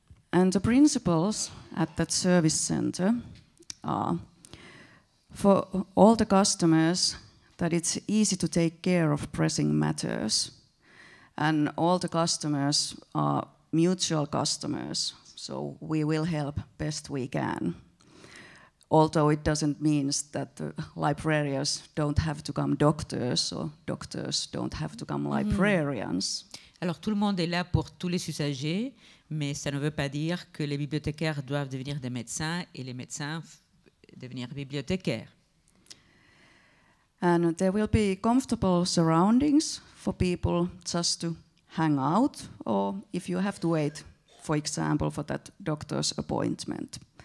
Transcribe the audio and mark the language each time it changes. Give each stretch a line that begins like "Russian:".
English: And the principles at that service center are for all the customers that it's easy to take care of pressing matters, and all the customers are mutual customers, so we will help best we can. Although it doesn't mean that the librarians don't have to come doctors or doctors don't have to come librarians.
French: Alors tout le monde est là pour tous les usagers, mais ça ne veut pas dire que les bibliothécaires doivent devenir des médecins et les médecins devenir bibliothécaires.
English: And there will be comfortable surroundings for people just to hang out, or if you have to wait, for example, for that doctor's appointment.